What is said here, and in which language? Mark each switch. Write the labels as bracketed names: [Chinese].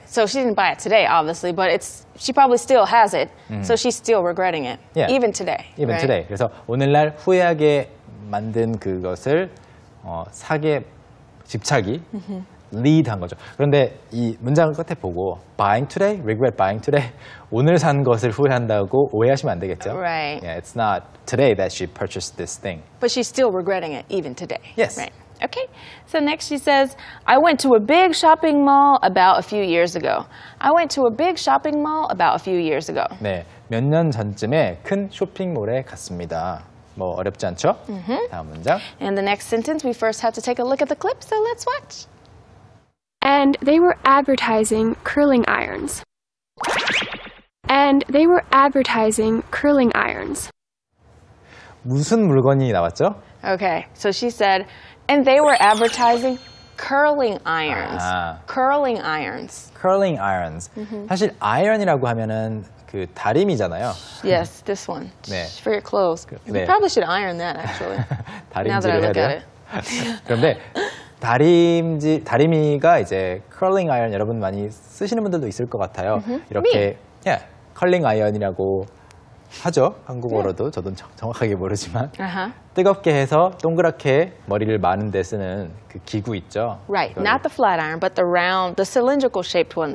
[English] So she didn't buy it today, obviously, but it's, she probably still has it, mm-hmm. so she's still regretting it, yeah. even today. Even right? today. [Korean] 그래서 오늘날 후회하게 만든 그것을 사게 집착이 mm-hmm. lead 한 거죠. 그런데 이 문장을 끝에 보고 [English] buying today, regret buying today, [Korean] 오늘 산 것을 후회한다고 오해하시면 안 되겠죠? [English] Right. Yeah, it's not today that she purchased this thing. But she's still regretting it even today. Yes. Right. Okay. So next she says, I went to a big shopping mall about a few years ago. I went to a big shopping mall about a few years ago. [Korean] 네, 몇 년 전쯤에 큰 쇼핑몰에 갔습니다. 뭐 어렵지 않죠? Mm-hmm. 다음 문장. [English] And the next sentence, we first have to take a look at the clip, so let's watch. And they were advertising curling irons. And they were advertising curling irons. [Korean] 무슨 물건이 나왔죠? [English] Okay, so she said, and they were advertising curling irons. 아. Curling irons. Curling irons. Mm-hmm. [Korean] 사실 iron이라고 하면은 그 다림이잖아요. [English] Yes, this one. [Korean] 네. [English] For your clothes. [Korean] 네. [English] You probably should iron that actually. [Korean] 다림질을 [English] Now that I look at it. [Korean] 그런데. 다리미가 이제 컬링 아이언 여러분 많이 쓰시는 분들도 있을 것 같아요. Mm-hmm. 이렇게 [English] Me. [Korean] yeah, 컬링 아이언이라고 하죠. 한국어로도 저도 정확하게 모르지만 뜨겁게 해서 동그랗게 머리를 마는 데 쓰는 그 기구 있죠. [English] Right. [Korean] 그걸. [English] Not the flat iron, but the round, the cylindrical shaped one.